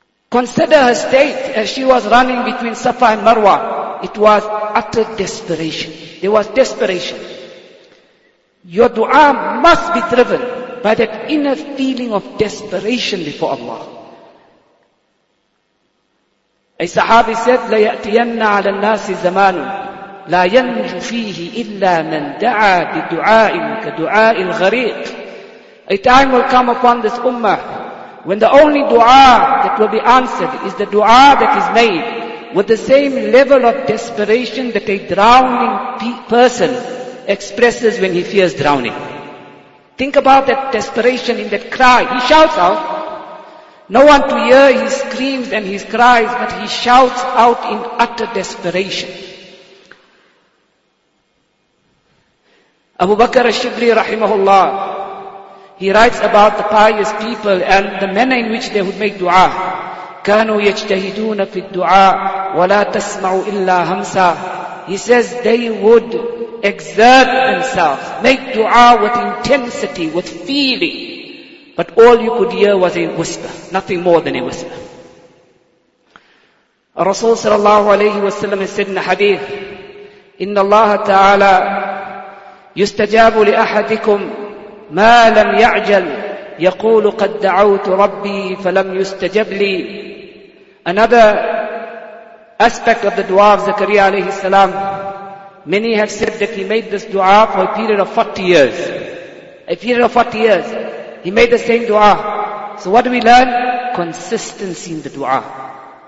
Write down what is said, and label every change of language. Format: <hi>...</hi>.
<en>Consider her state as she was running between Safa and Marwa. It was utter desperation. There was desperation. Your dua must be driven by that inner feeling of desperation before Allah. A sahabi said,</en> <ar>لَيَأْتِيَنَّ عَلَى النَّاسِ زَمَانٌ لَا يَنْجُ فِيهِ إِلَّا مَنْ دَعَى بِدُعَاءٍ كَدُعَاءِ الْغَرِيقِ.</ar> <en>A time will come upon this ummah when the only dua that will be answered is the dua that is made with the same level of desperation that a drowning person expresses when he fears drowning. Think about that desperation in that cry. He shouts out. No one to hear his screams and his cries, but he shouts out in utter desperation. Abu Bakr al-Shibli rahimahullah, he writes about the pious people and the manner in which they would make dua.</en> <ar>كانوا يجتهدون في الدعاء ولا تسمعوا إلا همسا.</ar> <en>He says they would exert themselves, make dua with intensity, with feeling. But all you could hear was a whisper, nothing more than a whisper. Rasul sallallahu alayhi wa sallam said in a hadith,</en> <ar>إِنَّ اللَّهَ تَعَالَى يُسْتَجَابُ لِأَحَدِكُمْ مَا لَمْ يَعْجَلْ يَقُولُ قَدْ دَعَوْتُ رَبِّي فَلَمْ يُسْتَجَبْ لِي.</ar> <en>Another aspect of the dua of Zakariya alayhi salam, many have said that he made this dua for a period of 40 years. A period of 40 years. He made the same dua. So what do we learn? Consistency in the dua.</en>